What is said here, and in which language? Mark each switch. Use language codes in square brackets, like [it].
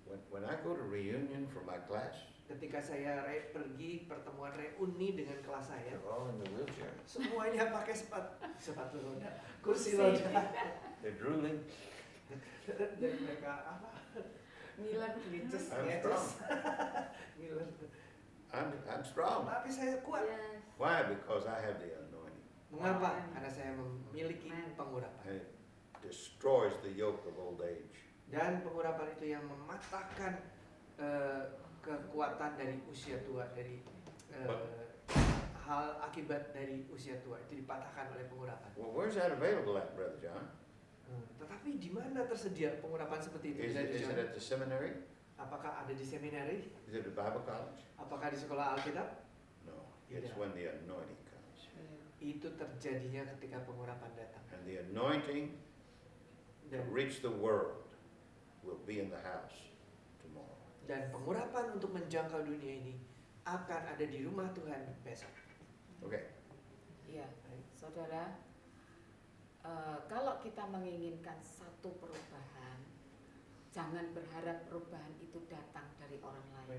[en] When I go to reunion for my class, [id] ketika saya pergi pertemuan reuni dengan kelas saya, [en] they're all in the wheelchair. [id] Semuanya pakai sepatu roda, kursi roda. [en] They're drooling. [id] Dan mereka apa? [en] Milan glitches. I'm strong. Milan. I'm strong. [id] Tapi saya kuat. [en] Yes. Why? Because I have the anointing. [id] Mengapa? Karena saya memiliki pengurapan. [en] And it destroys the yoke of old age. [id] Dan pengurapan itu yang mematahkan kekuatan dari usia tua, dari hal akibat dari usia tua itu dipatahkan oleh pengurapan. [en] Well, where's that available at, Brother John? [id] Tetapi di mana tersedia pengurapan seperti itu, Brother John? [en] Is it at the seminary? [id] Apakah ada di seminary? [en] Is it at Bible college? [id] Apakah di sekolah Alkitab? [en] No, it's when the anointing comes. [id] Itu terjadinya ketika pengurapan datang. [en] And the anointing to reach the world will be in the house tomorrow. [id] Dan pengurapan untuk menjangkau dunia ini akan ada di rumah Tuhan besok. Oke. Okay. Iya, saudara. Kalau kita menginginkan satu perubahan, jangan berharap perubahan itu datang dari orang lain.